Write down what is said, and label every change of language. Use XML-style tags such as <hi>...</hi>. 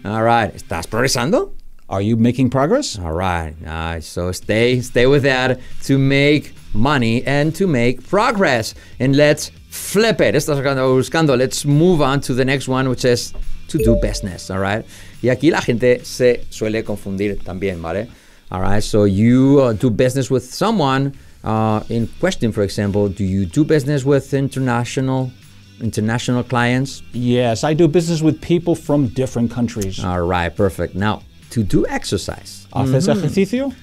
<en>All right.</en> <es>¿Estás progresando?</es> <en>Are you making progress? All right. Nice. So stay with that, to make money and to make progress. And let's flip it.</en> <es>Estás sacando, buscando.</es> <en>Let's move on to the next one, which is to do business, all right?</en> <es>Y aquí la gente se suele confundir también, ¿vale?</es> <en>All right, so you do business with someone. In question, for example, do you do business with international clients? Yes, I do business with people from different countries. All right, perfect. Now, to do exercise.</en> <es>¿Haces ejercicio?</es>